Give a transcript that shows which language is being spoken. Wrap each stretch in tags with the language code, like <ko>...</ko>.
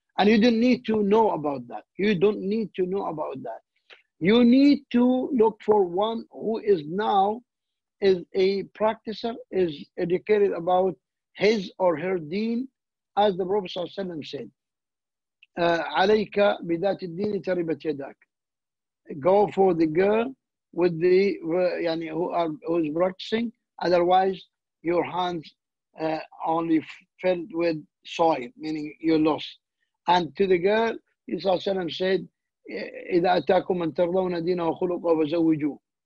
<en>And you don't need to know about that. You don't need to know about that. You need to look for one who is now is a practicer, is educated about his or her deen, as the Prophet Sallallahu Alaihi Wasallam said.</en> <ar>عليك بذات الدين تربت يداك.</ar> <en>Go for the girl with the yani who's practicing. Otherwise, your hands only filled with soil, meaning you lost. And to the girl,</en> <ar>Sallallahu Alaihi Wasallam said, إذا أتاكم من ترضون دينه وخلقه وزوجوا.</ar>